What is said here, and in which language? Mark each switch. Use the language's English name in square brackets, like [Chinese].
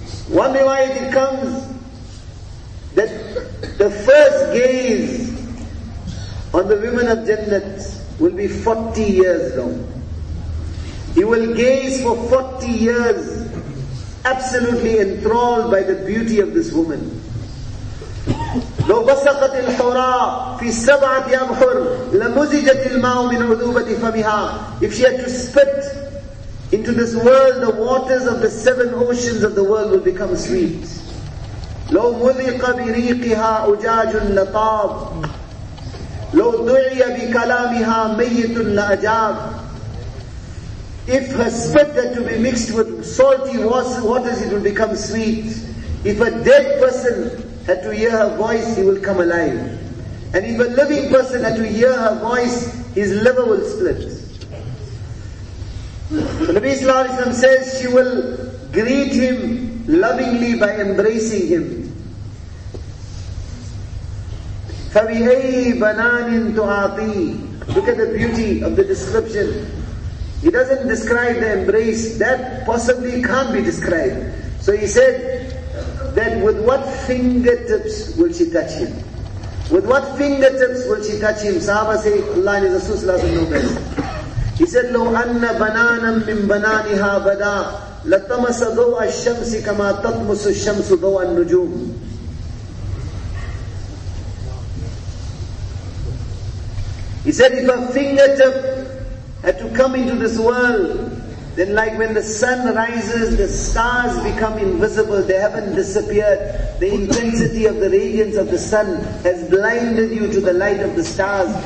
[English] One rewayate it comes that the first gaze on the women of Jannat will be 40 years long. He will gaze for 40 years absolutely enthralled by the beauty of this woman. [Arabic] لو بسقت الحوراء في سبعة أبحر لمزجت الماء من عذوبة فمها. [English] If she had to spit into this world, the waters of the 7 oceans of the world would become sweet. [Arabic] لو مذق بريقها أجاج لطاب. لو دعي بكلامها ميت لأجاب. [English] If her spit had to be mixed with salty waters, it will become sweet. If a dead person had to hear her voice, he will come alive. And if a living person had to hear her voice, his liver will split. So Nabi sallallahu alayhi wa sallam says, she will greet him lovingly by embracing him. [Arabic] فَبِهَيْهِ بَنَانٍ تُعَاطِي. [English] Look at the beauty of the description. He doesn't describe the embrace. That possibly can't be described. So he said, then with what fingertips will she touch him? With what fingertips will she touch him? Sahaba say, Allah and his Rasul know best. [Arabic] He said, لو أن بنانا من بنانها بدا لطمس ضوء الشمس كما تطمس الشمس ضوء النجوم. [English] He said, if a fingertip had to come into this world, then like when the sun rises, the stars become invisible, they haven't disappeared. The intensity of the radiance of the sun has blinded you to the light of the stars.